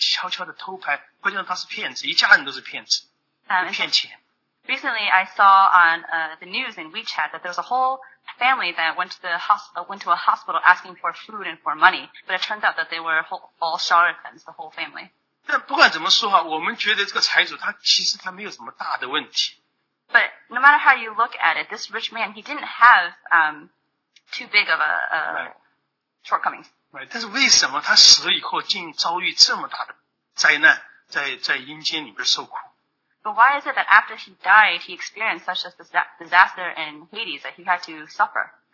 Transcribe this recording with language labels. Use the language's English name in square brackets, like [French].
[Chinese] 昨天我还从微信上看到一个故事，就是有一家人跑到医院门口啊，在那儿要饭要钱呢。他其实后来那个记者悄悄的偷拍，关键他是骗子，一家人都是骗子。 [English] Recently, I saw on the news in WeChat that there's a whole family that went to a hospital asking for food and for money, but it turns out that they were all charlatans, the whole family. [Chinese] 但不管怎么说啊，我们觉得这个财主他其实他没有什么大的问题。 [English] But no matter how you look at it, this rich man, he didn't have too big of a shortcomings. Right. [Chinese] 但是为什么他死了以后竟遭遇这么大的灾难，在阴间里边受苦？ [English] But why is it that after he died, he experienced such a disaster in Hades that he had to suffer?